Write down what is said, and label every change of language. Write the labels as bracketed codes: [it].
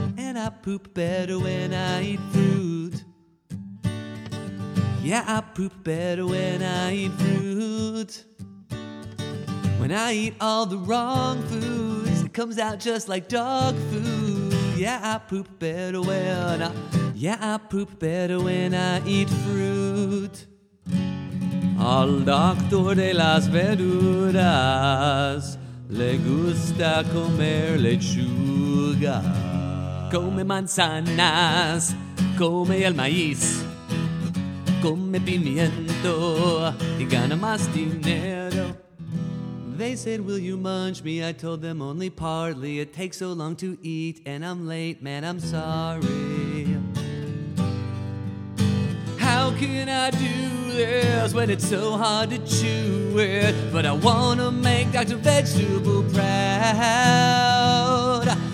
[en] And I poop better when I eat fruit. Yeah, I poop better when I eat fruit. When I eat all the wrong foods, it comes out just like dog food. Yeah, I poop better when I... Yeah, I poop better when I eat fruit. [es] Al doctor de las verduras le gusta comer lechuga. Come manzanas, come el maíz. Come pimiento y gana más dinero. [en] They said, will you munch me? I told them only partly. It takes so long to eat and I'm late, man, I'm sorry. How can I do this when it's so hard to chew it? But I wanna make Dr. Vegetable proud.